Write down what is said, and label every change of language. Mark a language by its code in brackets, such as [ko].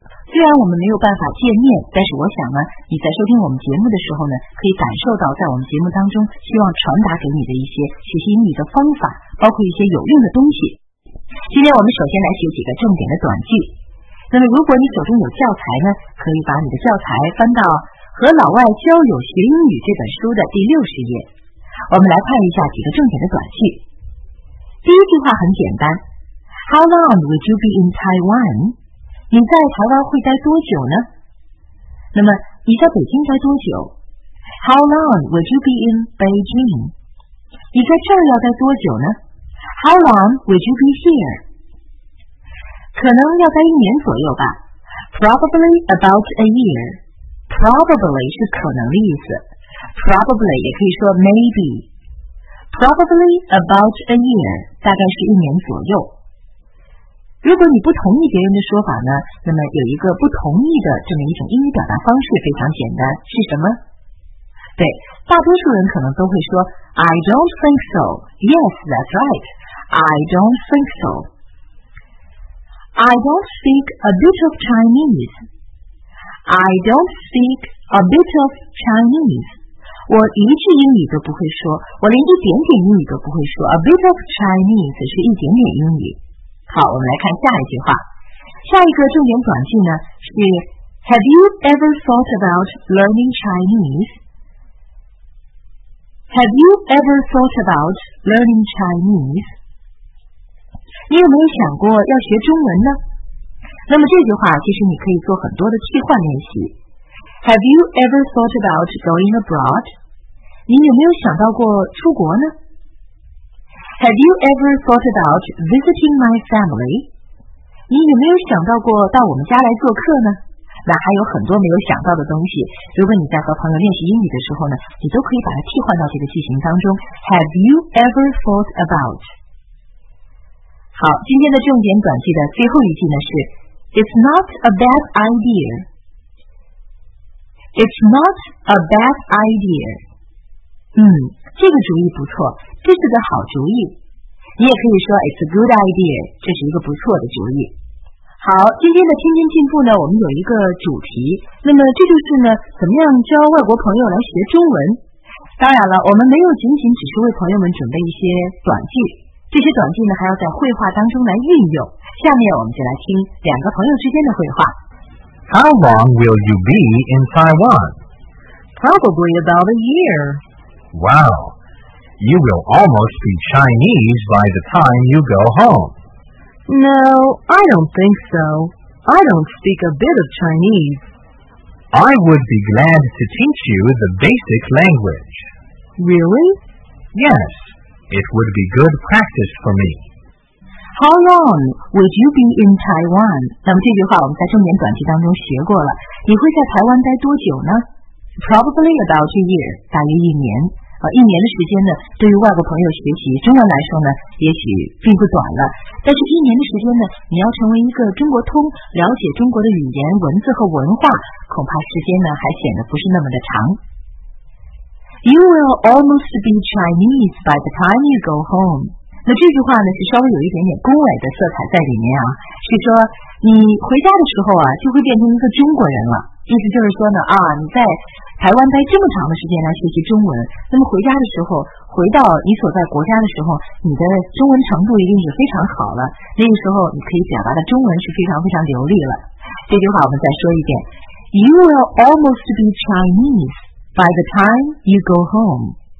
[zh] 虽然我们没有办法见面，但是我想呢，你在收听我们节目的时候呢，可以感受到在我们节目当中希望传达给你的一些学习英语的方法，包括一些有用的东西。今天我们首先来学几个重点的短句。那么如果你手中有教材呢，可以把你的教材翻到和老外交友学英语这本书的第60页。我们来看一下几个重点的短句。第一句话很简单， [en] How long would you be in Taiwan? [zh] 你在台湾会待多久呢？那么你在北京待多久？ [en] How long would you be in Beijing? [zh] 你在这儿要待多久呢？ [en] How long would you be here? [zh] 可能要待1年左右吧。 [en] Probably about a year. [zh] Probably 是可能的意思， Probably 也可以说 maybe. [en] Probably about a year [zh] 大概是1年左右。如果你不同意别人的说法呢，那么有一个不同意的这么一种英语表达方式非常简单，是什么？对，大多数人可能都会说 [en] I don't think so. Yes, that's right. I don't think so. I don't speak a bit of Chinese. I don't speak a bit of Chinese. [zh] 我一句英语都不会说，我连一点点英语都不会说。 [en] A bit of Chinese [zh] 是一点点英语。好，我们来看下一句话。下一个重点短句呢是 [en] Have you ever thought about learning Chinese? Have you ever thought about learning Chinese? [zh] 你有没有想过要学中文呢？那么这句话其实你可以做很多的替换练习。 [en] Have you ever thought about going abroad? [zh] 你有没有想到过出国呢？ [en] Have you ever thought about visiting my family? [zh] 你有没有想到过到我们家来做客呢？那还有很多没有想到的东西，如果你在和朋友练习英语的时候呢，你都可以把它替换到这个句型当中。 [en] Have you ever thought about? [zh] 好，今天的重点短句的最后一句呢是 [en] It's not a bad idea. It's not a bad idea. [zh] 这个主意不错，这是个好主意。你也可以说 [en] It's a good idea， [zh] 这是一个不错的主意。好，今天的天天进步呢，我们有一个主题，那么这就是呢怎么样教外国朋友来学中文。当然了，我们没有仅仅只是为朋友们准备一些短句，这些短句呢还要在会话当中来运用。下面我们就来听两个朋友之间的会话。 [en] How long will you be in Taiwan? Probably about a year. Wow. You will almost be Chinese by the time you go home. No, I don't think so. I don't speak a bit of Chinese. I would be glad to teach you the basic language. Really? Yes, it would be good practice for me. How long would you be in Taiwan? [zh] 那么这句话我们在重点短句当中学过了。你会在台湾待多久呢？ [en] probably about a year, [zh] 大约一年。一年的时间呢，对于外国朋友学习中文来说呢，也许并不短了。但是一年的时间呢，你要成为一个中国通，了解中国的语言、文字和文化，恐怕时间呢还显得不是那么的长。 [en] You will almost be Chinese by the time you go home。 [zh] 那这句话呢是稍微有一点点恭维的色彩在里面啊，是说你回家的时候啊就会变成一个中国人了，意思就是说呢啊，你在台湾待这么长的时间来学习中文，那么回家的时候，回到你所在国家的时候，你的中文程度一定是非常好了，那个时候你可以表达的中文是非常非常流利了。这句话我们再说一遍， [en] You will almost be Chinese by the time you go home。